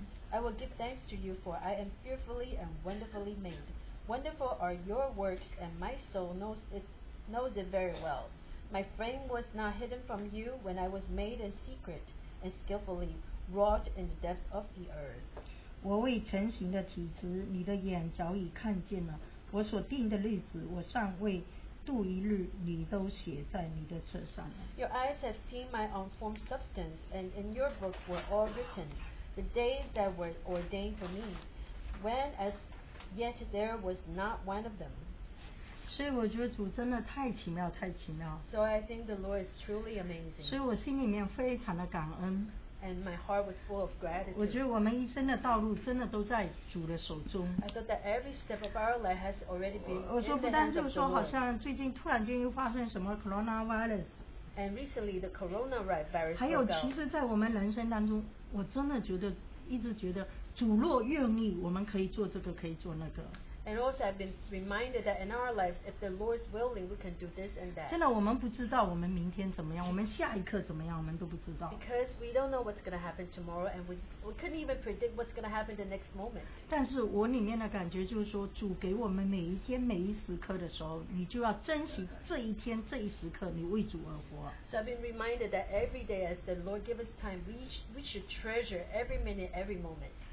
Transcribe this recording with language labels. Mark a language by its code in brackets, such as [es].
[en] I will give thanks to you, for I am fearfully and wonderfully made. Wonderful are your works, and my soul knows it very well. My frame was not hidden from you when I was made in secret and skillfully wrought in the depth of the earth. [zh] 我未成形的体质，你的眼早已看见了。我所定的日子，我尚未度一日，你都写在你的册上了。 [en] Your eyes have seen my unformed substance, and in your book were all written the days that were ordained for me, when as yet there was not one of them. [zh] 所以我觉得主真的太奇妙，太奇妙。 [en] So I think the Lord is truly amazing. [zh] 所以我心里面非常的感恩。 [en] And my heart was full of gratitude. [zh] 我觉得我们一生的道路真的都在主的手中。 [en] I thought that every step of our life has already been in the hands of the Lord. [zh] 我说不单就是说好像最近突然间又发生什么 coronavirus。 [en] And recently the coronavirus. [zh] 还有其实在我们人生当中，我真的觉得一直觉得。主若愿意, 我们可以做这个, [en] and also I've been reminded that in our lives, if the Lord is willing, we can do this and that. [zh] 真的我们不知道我们明天怎么样, 我们下一刻怎么样, 我们都不知道。 [en] Because we don't know what's going to happen tomorrow, and we couldn't even predict what's going to happen the next moment. [zh] 但是我里面的感觉就是说, 主给我们每一天, 每一时刻的时候, 你就要珍惜这一天, 这一时刻, [en] so I've been reminded that every day as the Lord gives us time, we should treasure every minute, every moment.